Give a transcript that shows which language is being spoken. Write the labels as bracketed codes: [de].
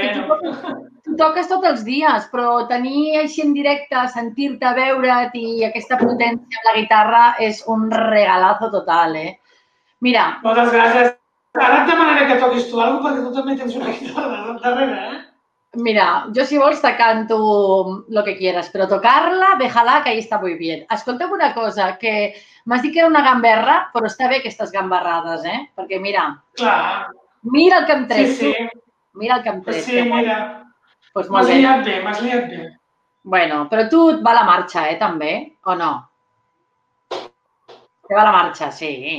[ca] Perquè tu toques tots els dies, però tenir així en directe, sentir-te, veure't i aquesta potència amb la guitarra és un regalazo total, eh? Mira. Moltes gràcies. Ara et demanaré que toquis tu alguna cosa perquè tu també tens una guitarra darrere, eh? Mira, jo si vols [es] te canto lo que quieras, [ca] però tocar-la, [es] déjala, que ahí está muy bien. [ca] Escolta'm una cosa, que m'has dit que era una gamberra, però està bé aquestes gambarrades, eh? Perquè mira. Clar. Mira el que em trec. Sí, sí. Mira el que em trec. Sí, mira. Pues m'has liat bé, m'has liat bé. Bueno, però tu et va la marxa, també, o no? Te va la marxa, sí.